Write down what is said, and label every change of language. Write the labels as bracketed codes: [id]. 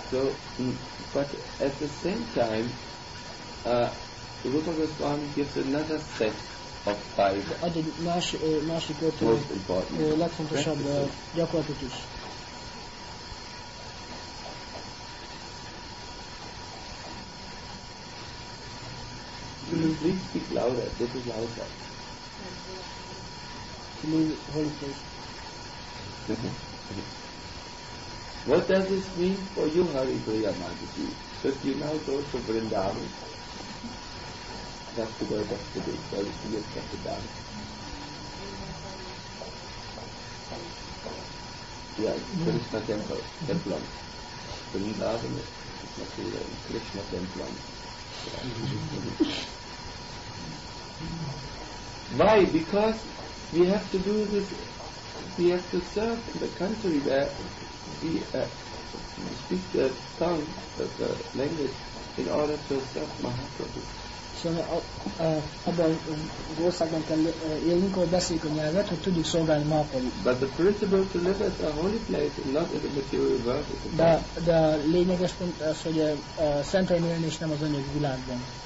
[en] So, but at the same time, Rupa Goswami gives another set of five [hu] ad egy másik ötlet, legfontosabb gyakorlatot is. [en] Please speak louder. This is louder. Can you hold it, please? What does this mean for you, Hari Priya Madhuji? Because you now go to Vrindavan. That's the word of the day. So you just cut it down. Yeah, Krishna temple. Temple. Vrindavan is material. Krishna temple. Why? Because we have to do this, we have to serve in the country where we speak the tongue, the language, in order to serve Mahaprabhu. [hu] So, abban az országban kell élnünk, ahol beszéljük a nyelvet, hogy tudjuk szolgálni Mahaprabhu. [en] But the principle to live at a holy place and not in the material world is important. [hu] De a lényeges pont az, hogy szentén élni, és nem az anyagi világban.